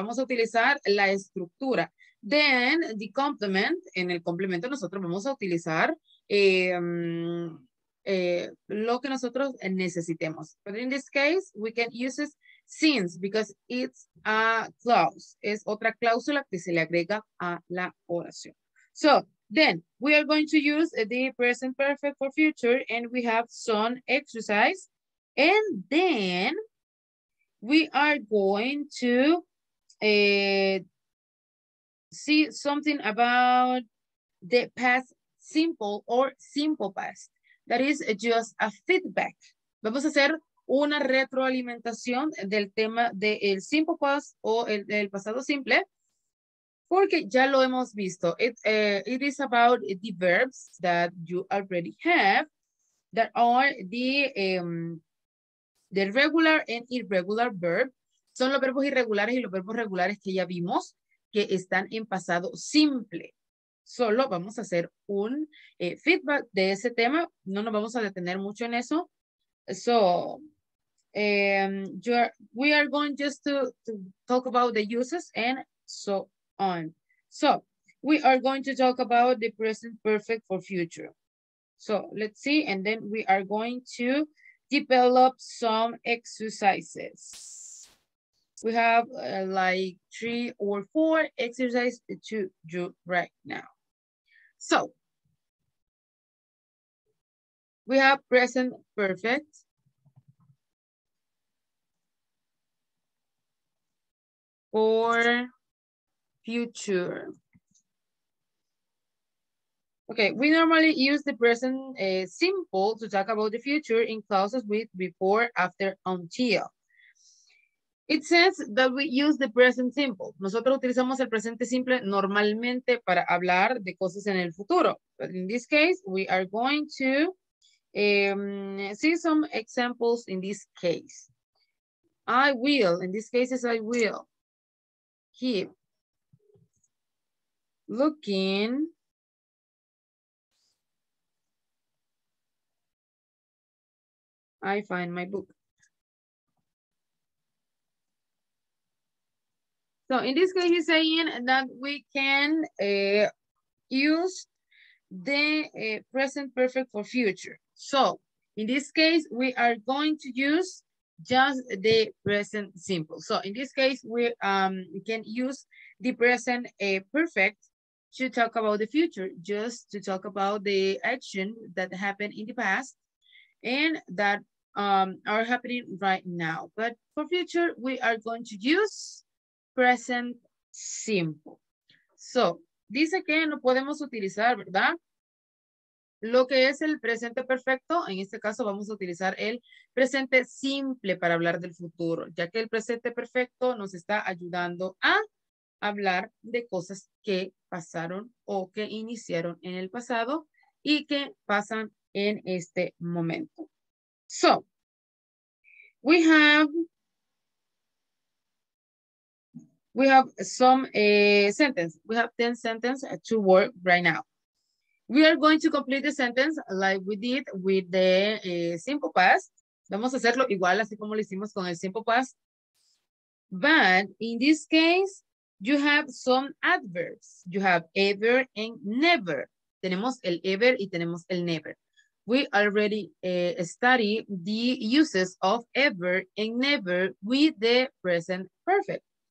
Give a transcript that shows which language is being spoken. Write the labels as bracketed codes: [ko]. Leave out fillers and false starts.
[es] Vamos a utilizar la estructura. [en] Then, the complement, [es] en el complemento nosotros vamos a utilizar lo que nosotros necesitemos. [en] But in this case, we can use it since, because it's a clause. [es] Es otra cláusula que se le agrega a la oración. [en] So, then, we are going to use the present perfect for future, and we have some exercise. And then, we are going to see something about the past simple or simple past. That is just a feedback. [es] Vamos a hacer una retroalimentación del tema del simple past o el pasado simple. Porque ya lo hemos visto. [en] It is about the verbs that you already have that are the regular and irregular verb. [es] Son los verbos irregulares y los verbos regulares que ya vimos que están en pasado simple. Solo vamos a hacer un feedback de ese tema. No nos vamos a detener mucho en eso. [en] So, we are going just to talk about the uses and so on. So, we are going to talk about the present perfect for future. So, let's see, and then we are going to develop some exercises. We have like 3 or 4 exercises to do right now. So, we have present perfect. For future. Okay, we normally use the present simple to talk about the future in clauses with before, after, until. It says that we use the present simple. [es] Nosotros utilizamos el presente simple normalmente para hablar de cosas en el futuro. [en] But in this case, we are going to see some examples in this case. I will, in this case, I will keep looking I find my book. So in this case he's saying that we can use the present perfect for future. So in this case we are going to use just the present simple. So in this case, we can use the present perfect to talk about the future, just to talk about the action that happened in the past and that are happening right now. But for future, we are going to use present simple. [es] So, dice que no podemos utilizar, ¿verdad? Lo que es el presente perfecto, en este caso vamos a utilizar el presente simple para hablar del futuro, ya que el presente perfecto nos está ayudando a hablar de cosas que pasaron o que iniciaron en el pasado y que pasan en este momento. [en] So, we have some sentence. We have 10 sentences to work right now. We are going to complete the sentence like we did with the simple past. [es] Vamos a hacerlo igual así como lo hicimos con el simple past. [en] But in this case, you have some adverbs. You have ever and never. [es] Tenemos el ever y tenemos el never. [en] We already studied the uses of ever and never with the present perfect.